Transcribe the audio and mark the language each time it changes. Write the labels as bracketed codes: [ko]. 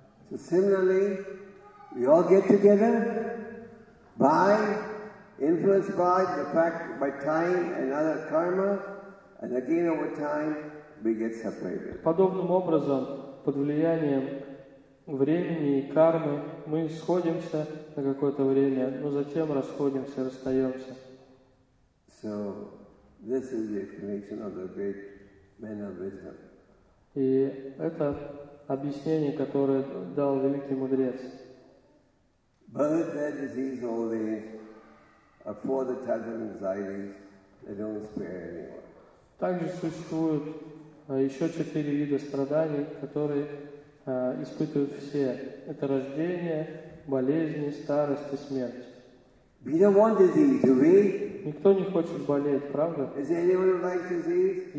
[en] So similarly, we all get together by, influenced by the fact, by time and other karma, and again over time, we get separated. [ru] Подобным образом, под влиянием времени и кармы, мы сходимся на какое-то время, но затем расходимся, расстаемся. [en] So, this is the explanation of the great men of wisdom. [ru] И это объяснение, которое дал великий мудрец. [en] Birth, death, disease, old age are for the touch of anxieties, they don't spare anyone. [ru] Также существуют еще четыре вида страданий, которые испытывают все. Это рождение, болезни, старость и смерть. [en] We don't want disease, do we? [ru] Никто не хочет болеть, правда? [en] Is there anyone who likes disease?